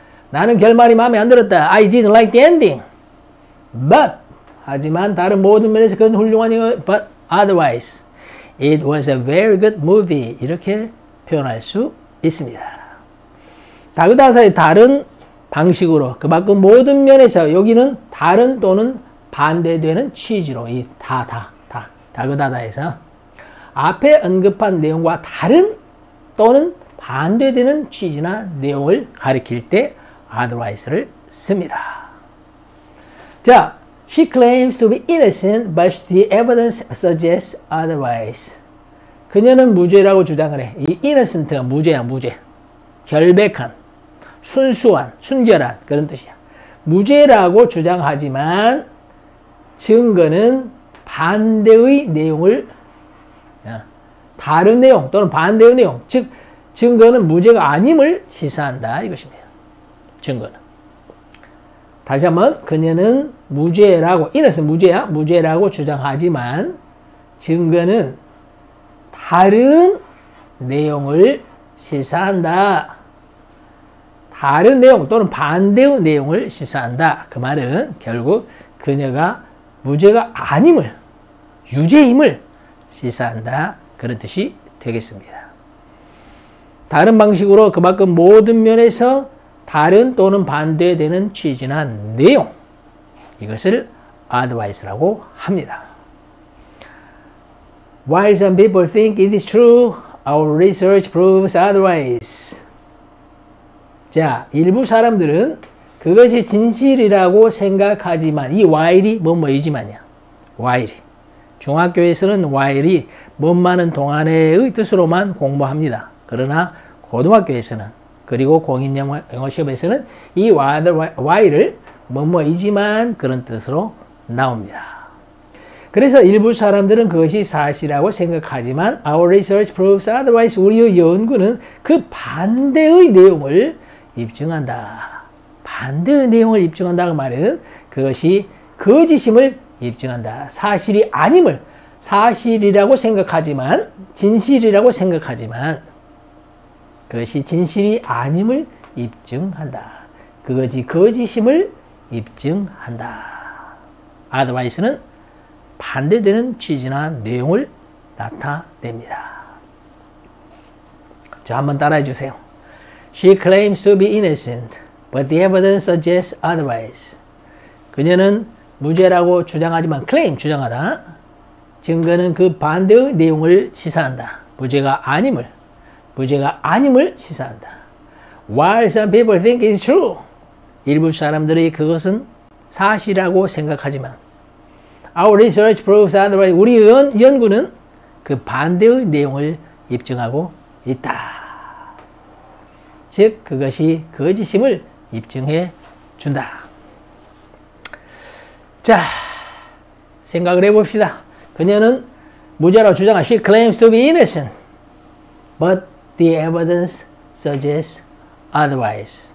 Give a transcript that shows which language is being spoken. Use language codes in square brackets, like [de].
[ko] 나는 결말이 마음에 안 들었다. [en] I didn't like the ending. But [ko] 하지만 다른 모든 면에서 그건 훌륭한 이유. [en] But otherwise, it was a very good movie. [ko] 이렇게 표현할 수 있습니다. 다그다사의 다른 방식으로 그 밖의 모든 면에서 여기는 다른 또는 반대되는 취지로 이 다그다다에서 앞에 언급한 내용과 다른 또는 반대되는 취지나 내용을 가리킬 때 otherwise를 씁니다. [en] 자, She claims to be innocent, but the evidence suggests otherwise. [ko] 그녀는 무죄라고 주장을 해. 이 innocent가 무죄야, 무죄. 결백한, 순수한, 순결한 그런 뜻이야. 무죄라고 주장하지만 증거는 반대의 내용을, 다른 내용 또는 반대의 내용, 즉 증거는 무죄가 아님을 시사한다 이것입니다. 증거는. 다시 한번 그녀는 무죄라고 이래서 무죄야 무죄라고 주장하지만 증거는 다른 내용을 시사한다. 다른 내용 또는 반대의 내용을 시사한다. 그 말은 결국 그녀가 무죄가 아님을 유죄임을 시사한다. 그런 뜻이 되겠습니다. 다른 방식으로 그만큼 모든 면에서 다른 또는 반대되는 취지나 내용 이것을 advice라고 합니다. [en] While some people think it is true, our research proves otherwise. [ko] 자, 일부 사람들은 그것이 진실이라고 생각하지만 이 while이 뭐뭐이지만이야. while 중학교에서는 while이 먼마는 동안의 뜻으로만 공부합니다. 그러나 고등학교에서는 그리고 공인영어 시험에서는 이 while을 뭐뭐이지만 그런 뜻으로 나옵니다. 그래서 일부 사람들은 그것이 사실이라고 생각하지만 [en] Our research proves otherwise. [ko] 우리의 연구는 그 반대의 내용을 입증한다. 반대의 내용을 입증한다는 말은 그것이 거짓임을 입증한다. 사실이 아님을 사실이라고 생각하지만 진실이라고 생각하지만 그것이 진실이 아님을 입증한다. 그것이 거짓임을 입증한다. Otherwise는 반대되는 취지나 내용을 나타냅니다. 자, 한번 따라해 주세요. [en] She claims to be innocent, but the evidence suggests otherwise. [ko] 그녀는 무죄라고 주장하지만 claim 주장하다. 증거는 그 반대의 내용을 시사한다. 무죄가 아님을 시사한다. [en] While some people think it's true, [ko] 일부 사람들이 그것은 사실이라고 생각하지만, [en] our research proves otherwise. [ko] 우리 연구는 그 반대의 내용을 입증하고 있다. 즉, 그것이 거짓임을 입증해 준다. 자, 생각을 해봅시다. 그녀는 무죄라고 주장하. [en] She claims to be innocent, but the evidence suggests otherwise.